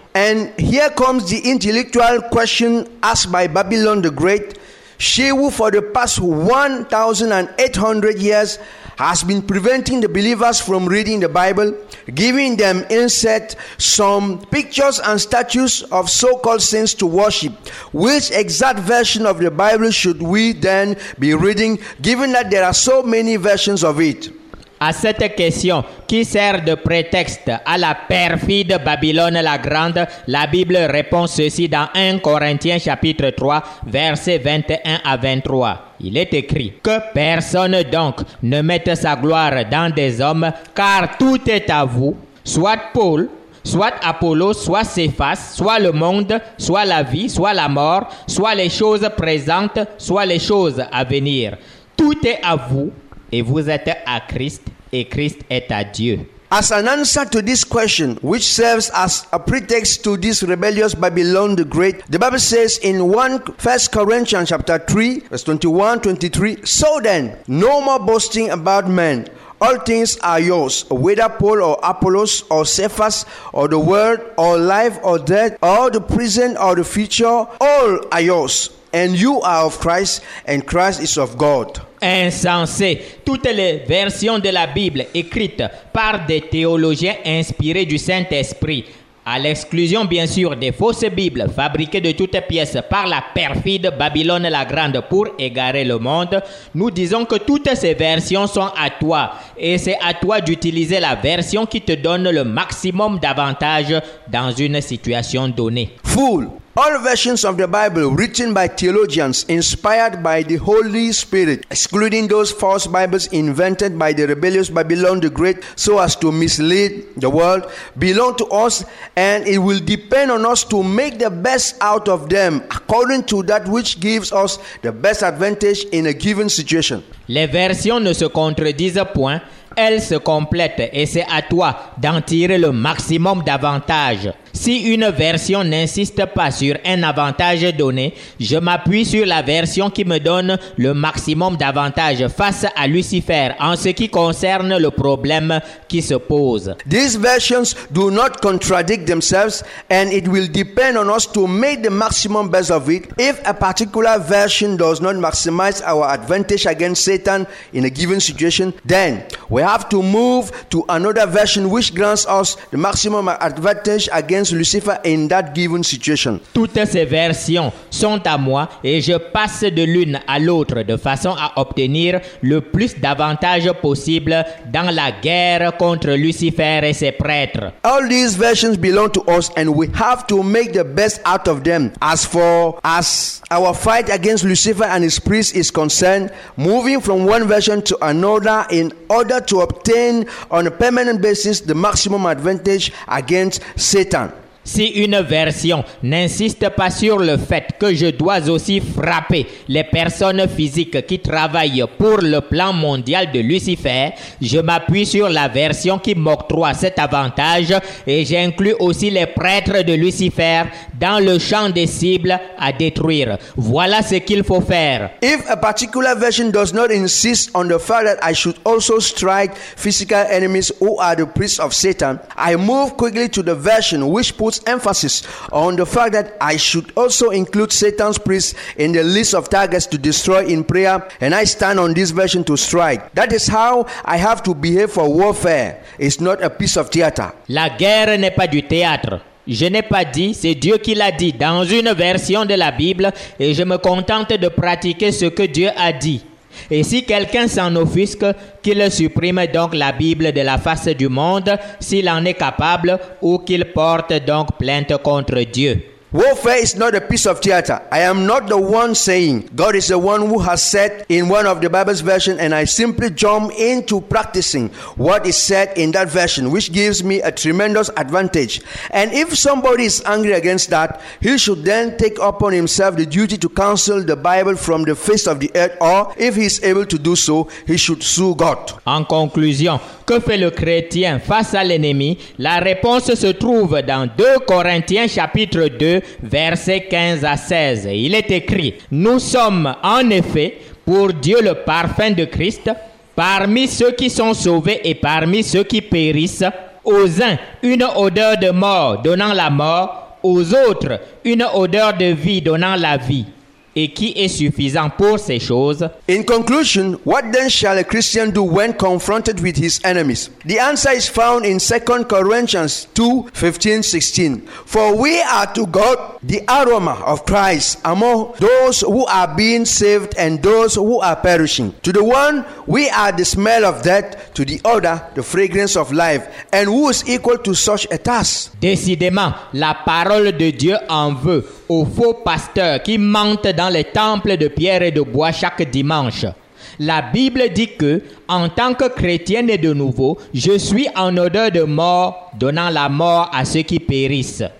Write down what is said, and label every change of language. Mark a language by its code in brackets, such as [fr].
[en] And here comes the intellectual question asked by Babylon the Great. She who for the past 1,800 years has been preventing the believers from reading the Bible, giving them instead some pictures and statues of so-called saints to worship. Which exact version of the Bible should we then be reading, given that there are so many versions of it? [fr] À cette question qui sert de prétexte à la perfide Babylone la Grande, la Bible répond ceci dans 1 Corinthiens chapitre 3, versets 21 à 23. Il est écrit « Que personne donc ne mette sa gloire dans des hommes, car tout est à vous, soit Paul, soit Apollo, soit Céphas, soit le monde, soit la vie, soit la mort, soit les choses présentes, soit les choses à venir. Tout est à vous. » Et vous êtes à Christ, et Christ est à Dieu. [en] As an answer to this question, which serves as a pretext to this rebellious Babylon the Great, the Bible says in 1 Corinthians chapter 3, verse 21, 23, so then, no more boasting about men. All things are yours, whether Paul or Apollos or Cephas or the world or life or death or the present or the future, all are yours. And you are of Christ, and Christ is of God. [fr] Insensé. Toutes les versions de la Bible écrites par des théologiens inspirés du Saint-Esprit, à l'exclusion bien sûr des fausses Bibles fabriquées de toutes pièces par la perfide Babylone la Grande pour égarer le monde, nous disons que toutes ces versions sont à toi et c'est à toi d'utiliser la version qui te donne le maximum d'avantages dans une situation donnée. [en] Fool! All versions of the Bible written by theologians inspired by the Holy Spirit, excluding those false Bibles invented by the rebellious Babylon the Great so as to mislead the world, belong to us, and it will depend on us to make the best out of them according to that which gives us the best advantage in a given situation. [fr] Les versions ne se contredisent point. Elle se complète et c'est à toi d'en tirer le maximum d'avantages. Si une version n'insiste pas sur un avantage donné, je m'appuie sur la version qui me donne le maximum d'avantages face à Lucifer en ce qui concerne le problème qui se pose. [en] These versions do not contradict themselves, and it will depend on us to make the maximum best of it. If a particular version does not maximize our advantage against Satan in a given situation, then we have to move to another version which grants us the maximum advantage against Lucifer in that given situation. [fr] Toutes ces versions sont à moi et je passe de l'une à l'autre de façon à obtenir le plus d'avantages possible dans la guerre contre Lucifer et ses prêtres. [en] All these versions belong to us and we have to make the best out of them. As for as our fight against Lucifer and his priests is concerned, moving from one version to another in order to obtain on a permanent basis the maximum advantage against Satan. [fr] Si une version n'insiste pas sur le fait que je dois aussi frapper les personnes physiques qui travaillent pour le plan mondial de Lucifer, je m'appuie sur la version qui m'octroie cet avantage et j'inclus aussi les prêtres de Lucifer dans le champ des cibles à détruire. Voilà ce qu'il faut faire. [en] If a particular version does not insist on the fact that I should also strike physical enemies who are the priests of Satan, I move quickly to the version which puts emphasis on the fact that I should also include Satan's priests in the list of targets to destroy in prayer, and I stand on this version to strike. That is how I have to behave for warfare. It's not a piece of theater. [fr] La guerre n'est pas du théâtre. Je n'ai pas dit, c'est Dieu qui l'a dit dans une version de la Bible, et je me contente de pratiquer ce que Dieu a dit. Et si quelqu'un s'en offusque, qu'il supprime donc la Bible de la face du monde, s'il en est capable, ou qu'il porte donc plainte contre Dieu. [en] Warfare is not a piece of theater. I am not the one saying. God is the one who has said in one of the Bible's versions, and I simply jump into practicing what is said in that version, which gives me a tremendous advantage. And if somebody is angry against that, he should then take upon himself the duty to cancel the Bible from the face of the earth, or if he is able to do so, he should sue God. [fr] En conclusion, que fait le chrétien face à l'ennemi? La réponse se trouve dans 2 Corinthiens chapitre 2, versets 15 à 16. Il est écrit, « Nous sommes en effet pour Dieu le parfum de Christ, parmi ceux qui sont sauvés et parmi ceux qui périssent, aux uns une odeur de mort donnant la mort, aux autres une odeur de vie donnant la vie. » Et qui est suffisant pour ces choses? [en] In conclusion, what then shall a Christian do when confronted with his enemies? The answer is found in 2 Corinthians 2, 15, 16. For we are to God the aroma of Christ among those who are being saved and those who are perishing. To the one, we are the smell of death, to the other, the fragrance of life. And who is equal to such a task? [fr] Décidément, la parole de Dieu en veut aux faux pasteurs qui mentent dans les temples de pierre et de bois chaque dimanche. La Bible dit que, en tant que chrétienne et de nouveau, je suis en odeur de mort, donnant la mort à ceux qui périssent.